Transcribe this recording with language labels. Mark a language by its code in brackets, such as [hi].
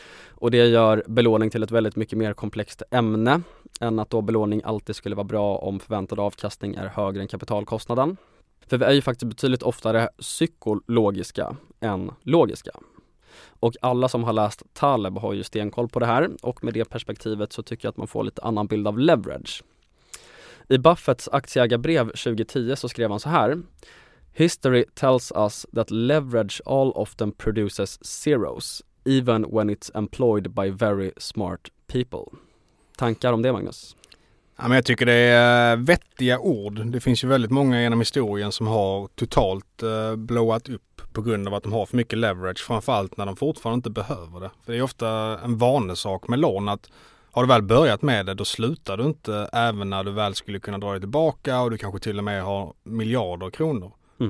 [sv] Och det gör belåning till ett väldigt mycket mer komplext ämne än att då belåning alltid skulle vara bra om förväntad avkastning är högre än kapitalkostnaden. För vi är ju faktiskt betydligt oftare psykologiska än logiska. Och alla som har läst Taleb har ju stenkoll på det här. Och med det perspektivet så tycker jag att man får lite annan bild av leverage. I Buffetts aktieägarbrev 2010 så skrev han så här: [en] "History tells us that leverage all often produces zeros, even when it's employed by very smart people." [sv] Tankar om det, Magnus? Ja, men jag tycker det är vettiga ord. Det finns ju väldigt många genom historien som har totalt blowat upp på grund av att de har för mycket leverage, framförallt när de fortfarande inte behöver det. För det är ofta en vanlig sak med lån att har du väl börjat med det, då slutar du inte även när du väl skulle kunna dra dig tillbaka och du kanske till och med har miljarder kronor. Mm.